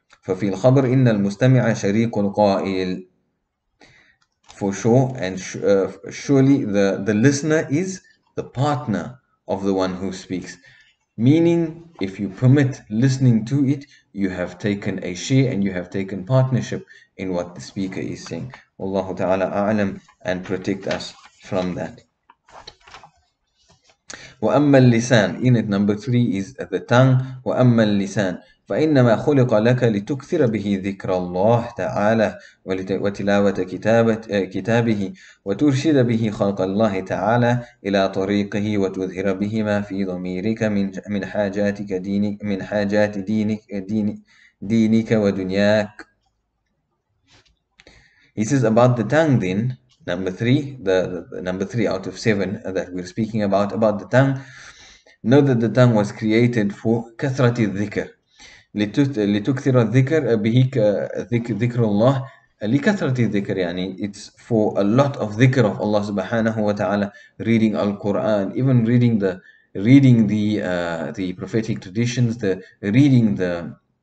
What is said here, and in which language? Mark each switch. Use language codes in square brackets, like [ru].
[ar] فَفِي الْخَبْرِ إِنَّ الْمُسْتَمِعَ شَرِيقُ الْقَائِلِ, [en] for sure and surely the listener is the partner of the one who speaks, meaning if you permit listening to it, you have taken a share and you have taken partnership in what the speaker is saying. Allahu ta'ala a'lam, and protect us from that. Wa amma al-lisan, in it number 3 is the tongue. [ar] Wa amma al-lisan, فَإِنَّمَا خُلِقَ لَكَ لِتُكْثِرَ بِهِ ذِكْرَ اللَّهِ تَعَالَى وَتِلَاوَةَ كِتَابِهِ وَتُرْشِدَ بِهِ خَلْقَ اللَّهِ تَعَالَى إِلَى طَرِيقِهِ وَتُذْهِرَ بِهِمَا فِي ضَمِيرِكَ مِنْ حَاجَاتِكَ دِينِكَ مِنْ حَاجَاتِ دِينِكَ وَدُنْيَاكَ. [en] He says about the tongue then, number three out of 7 that we're speaking about the tongue. Know that the tongue was created for [ar] كَثْرَةِ الذِّكْرِ, لِتُكْثِرَ الذِّكْرَ بِهِكَ ذِكْرُ اللَّهِ لِكَثْرَةِ الذِّكْرِ, [en] يعني it's for a lot of dhikr of Allah subhanahu wa ta'ala, reading Al-Quran, even reading the prophetic traditions, the reading the